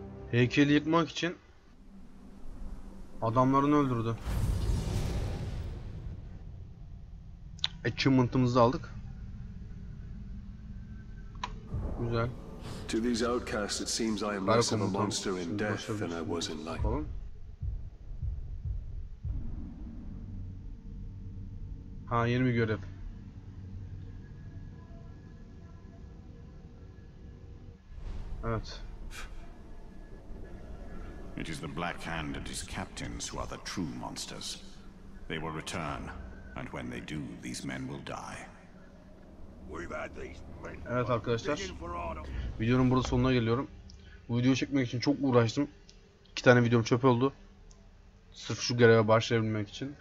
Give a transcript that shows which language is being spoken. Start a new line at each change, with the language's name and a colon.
Turkish: Heykeli yıkmak için adamlarını öldürdü. Achievement'ımızı aldık. Güzel.
English: To these outcasts it seems I am less of a monster in death than I was in life.
Turkish: Ha, yeni bir görev. Evet.
English: It is the Black Hand and his captains who are the true monsters. They will return. And when they do, these men will die.
Turkish: Evet arkadaşlar, videonun burada sonuna geliyorum. Bu videoyu çekmek için çok uğraştım. İki tane videom çöp oldu. Sırf şu göreve başlayabilmek için.